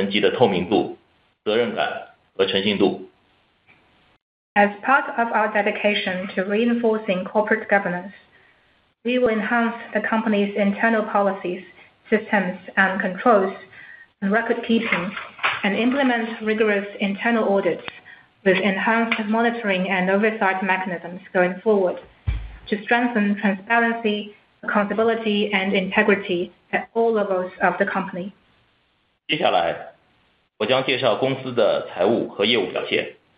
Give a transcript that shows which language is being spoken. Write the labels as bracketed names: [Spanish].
[Chinese] 秉承我们强化公司治理的承诺，我们将加强公司的内部政策、系统和控制以及记录保存，加强监控和监督机制，实施更加严格的内部审计，以提升公司各层级的透明度、责任感和诚信度。 [English] As part of our dedication to reinforcing corporate governance, we will enhance the company's internal policies, systems, and controls, and record keeping, and implement rigorous internal audits with enhanced monitoring and oversight mechanisms going forward to strengthen transparency, accountability, and integrity at all levels of the company. [Chinese] 接下来，我将介绍公司的财务和业务表现。